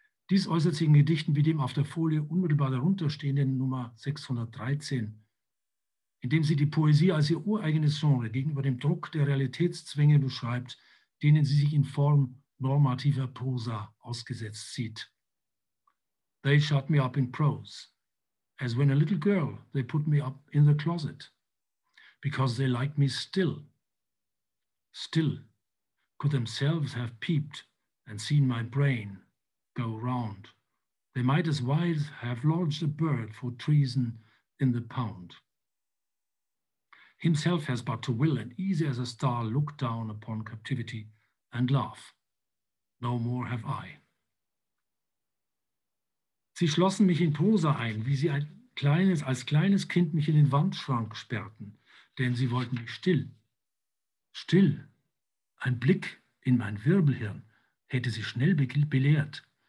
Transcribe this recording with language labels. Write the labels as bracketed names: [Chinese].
[German] Dies äußert sich in Gedichten wie dem auf der Folie unmittelbar darunter stehenden Nummer 613, in dem sie die Poesie als ihr ureigenes Genre gegenüber dem Druck der Realitätszwänge beschreibt, denen sie sich in Form normativer Prosa ausgesetzt sieht. [English] They shut me up in prose, as when a little girl they put me up in the closet, because they liked me still. Still could themselves have peeped and seen my brain go round. They might as well have lodged a bird for treason in the pound. Himself has but to will and easy as a star look down upon captivity and laugh. No more have I. [German] Sie schlossen mich in Prosa ein, wie sie als kleines Kind mich in den Wandschrank sperrten, denn sie wollten mich still. Still, ein Blick in mein Wirbelhirn hätte sie schnell belehrt.